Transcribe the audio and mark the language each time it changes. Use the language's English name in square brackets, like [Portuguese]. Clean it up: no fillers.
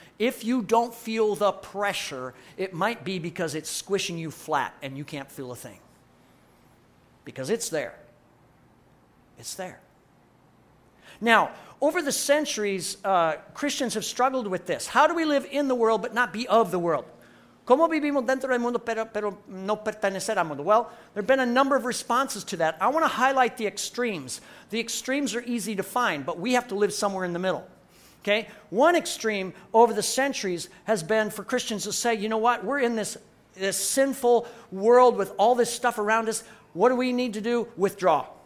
[English] If you don't feel the pressure, it might be because it's squishing you flat and you can't feel a thing. Because it's there. It's there. Now, over the centuries, Christians have struggled with this. How do we live in the world but not be of the world? [Spanish] ¿Cómo vivimos dentro del mundo pero no pertenecer al mundo? [English] Well, there have been a number of responses to that. I want to highlight the extremes. The extremes are easy to find, but we have to live somewhere in the middle. Okay? One extreme over the centuries has been for Christians to say, you know what? We're in this sinful world with all this stuff around us. What do we need to do? Withdraw.